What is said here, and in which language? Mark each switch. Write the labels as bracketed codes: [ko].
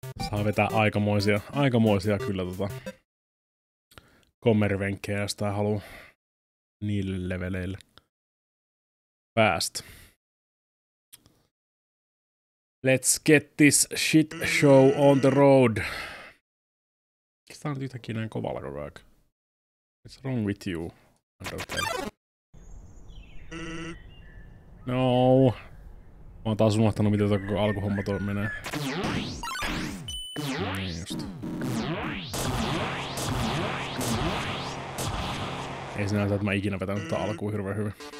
[fi] Saa vetää aikamoisia kyllä tota kommervenkkejä, jos tää haluu niille leveleille päästä. [en] Let's get this shit show on the road. [fi] Miks tää on nyt yhtäkkiä näin kovalla koko ajan? [en] What's wrong with you, Undertale? [fi] No. Mä oon taas unohtanut, miten tää koko alkuhomma toi menee. Niin just. Ei sinänsä, että mä ikinä vetänyt tätä alkuun hirveen hyvin.